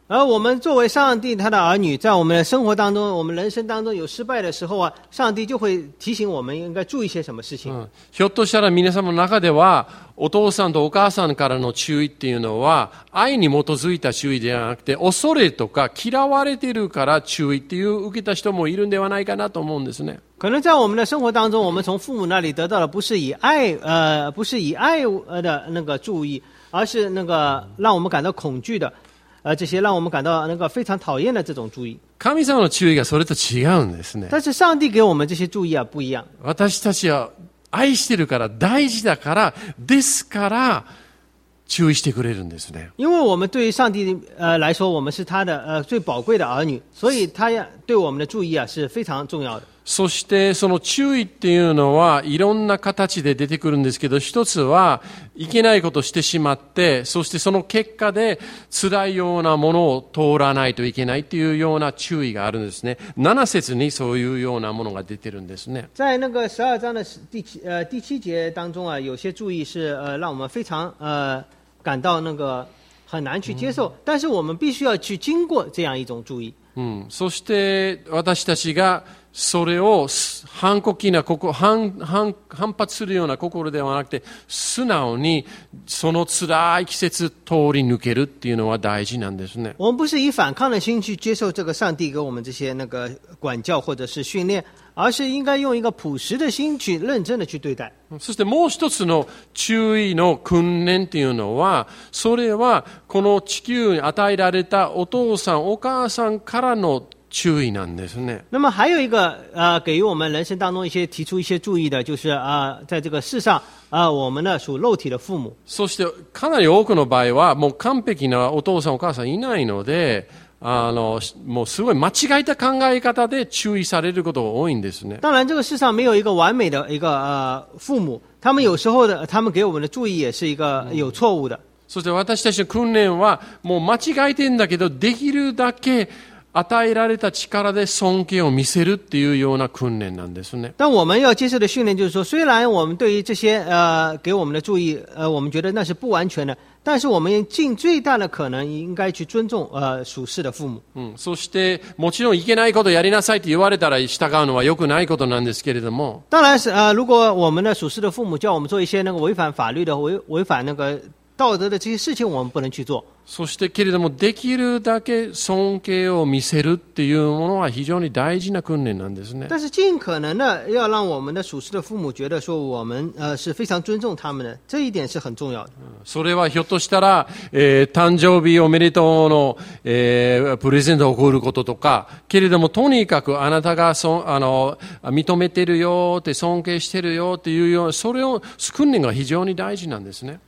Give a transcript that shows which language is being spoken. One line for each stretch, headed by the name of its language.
Chinese: 而我们作为上帝他的儿女，在我们的生活当中，我们人生当中有失败的时候啊，上帝就会提醒我们应该注意些什么事情。
Japanese: ひょっとしたら皆さんの中では、お父さんとお母さんからの注意っていうのは愛に基づいた注意ではなくて、恐れとか嫌われてるから注意っていう受けた人もいるんではないかなと思うんですね。
Chinese: 可能在我们的生活当中，我们从父母那里得到的不是以爱的那个注意，而是那个让我们感到恐惧的。这些让我们感到那个非常讨厌的这种注意。
Japanese: 神様の注意がそれと違うんですね。
Chinese: 但是上帝给我们这些注意啊不一样。
Japanese: 私たちは愛してるから大事だから、ですから注意してくれるんですね。
Chinese: 因为我们对于上帝来说，我们是他的最宝贵的儿女，所以他对我们的注意啊是非常重要的。
Japanese: そしてその注意っていうのはいろんな形で出てくるんですけど、一つはいけないことをしてしまって、そしてその結果で辛いようなものを通らないといけないっていうような注意があるんですね。 7節にそういうようなものが出てるんですね。
Chinese: 在那个十二章的第七节当中啊，有些注意是让我们非常感到那个很难去接受，但是我们必须要去经过这样一种注意。
Japanese: そして私たちがそれを反抗期な心、反発するような心ではなくて、素直にその辛い季節通り抜けるっていうのは大事なんですね。
Chinese: 我们不是以反抗的心去接受这个上帝给我们这些那个管教或者是训练，而是应该用一个朴实的心去认真的去对待。
Japanese: そしてもう一つの注意の訓練っていうのは、それはこの地球に与えられたお父さんお母さんからの注意なんですね。
Chinese: 那么还有一个给予我们人生当中一些提出一些注意的，就是在这个世上我们的属肉体的父母。
Japanese: そしてかなり多くの場合はもう完璧なお父さんお母さんいないので。もうすごい間違えた考え方で注意されることが多いんですね。
Chinese: 当然这个世上没有一个完美的一个父母，他们有时候的他们给我们的注意也是一个有错误的。
Japanese: そして私たちの訓練はもう間違えてんだけど、できるだけ与えられた力で尊敬を見せるっていうような訓練なんですね。
Chinese: 但我们要接受的训练就是说，虽然我们对于这些给我们的注意我们觉得那是不完全的，但是我们尽最大的可能应该去尊重属世的父母。
Japanese: そしてもちろんいけないことをやりなさいと言われたら従うのは良くないことなんですけれども。
Chinese: 当然是如果我们的属世的父母叫我们做一些那个违反法律的违反那个道德的这些事情，我们不能去做。
Japanese: そしてけれどもできるだけ尊敬を見せるっていうものは非常に大事な訓練なんですね。
Chinese: 但是尽可能的要让我们的属世的父母觉得说我们是非常尊重他们的，这一点是很重要的。
Japanese: それはひょっとしたら、誕生日おめでとうの、プレゼントを贈ることとか、けれどもとにかくあなたが認めてるよって尊敬してるよっていうような、それを訓練が非常に大事なんですね。